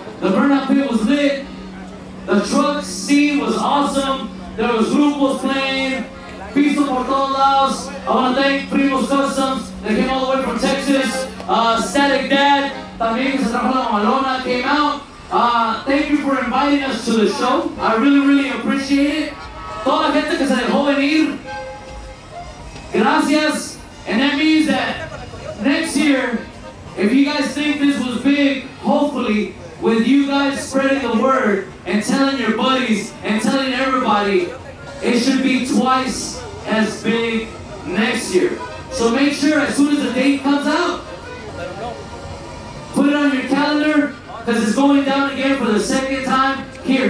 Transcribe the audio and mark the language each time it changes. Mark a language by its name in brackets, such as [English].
[English] The burnout pit was lit. The truck scene was awesome. There was grupos playing. [Spanish] Pisto por todos lados. [English] I want to thank Primos Customs. They came all the way from Texas. [Spanish] Static Dad, también se trajo la mamalona, [English] came out. Thank you for inviting us to the show. I really, really appreciate it. [Spanish] Toda la gente que se dejó venir, gracias. [English] And that means that next year, if you guys think this was big, hopefully, with you guys spreading the word and telling your buddies and telling everybody, it should be twice as big next year. So make sure as soon as the date comes out, put it on your calendar, because it's going down again for the second time here.